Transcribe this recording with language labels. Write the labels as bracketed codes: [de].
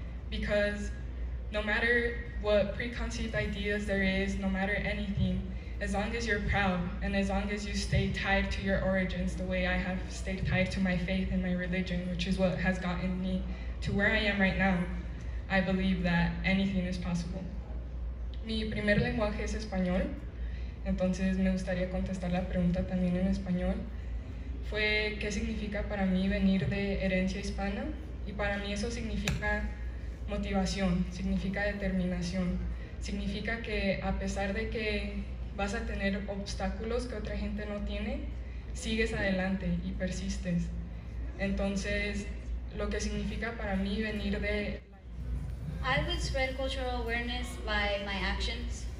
[en] Because no matter what preconceived ideas there is, no matter anything, as long as you're proud and as long as you stay tied to your origins the way I have stayed tied to my faith and my religion, which is what has gotten me to where I am right now, I believe that anything is possible. [es] Mi primer lenguaje es español, entonces me gustaría contestar la pregunta también en español. Fue qué significa para mí venir de herencia hispana, y para mí eso significa motivación, significa determinación, significa que a pesar de que vas a tener obstáculos que otra gente no tiene, sigues adelante y persistes. Entonces, lo que significa para mí venir de... [en] I would spread cultural awareness by my actions.